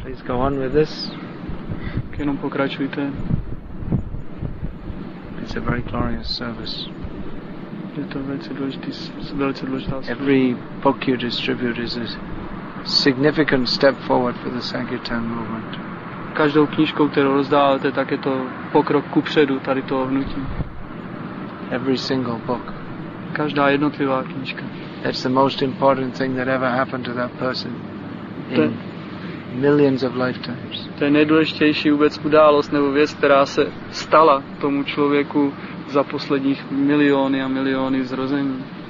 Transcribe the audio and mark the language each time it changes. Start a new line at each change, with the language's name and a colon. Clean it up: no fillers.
English: Please go on with this.
Czech: Jenom pokračujte.
English: It's a very glorious service.
Czech: Je to velice důležitá
English: service. Every book you distribute is a significant step forward for the Sankirtan movement.
Czech: Každou knížkou, kterou rozdáváte, tak je to pokrok kupředu tady toho hnutí.
English: Every single book.
Czech: Každá jednotlivá knížka.
English: That's the most important thing that ever happened to that person. millions of lifetimes.
Czech: To je nejdůležitější vůbec událost nebo věc, která se stala tomu člověku za posledních miliony a miliony zrození.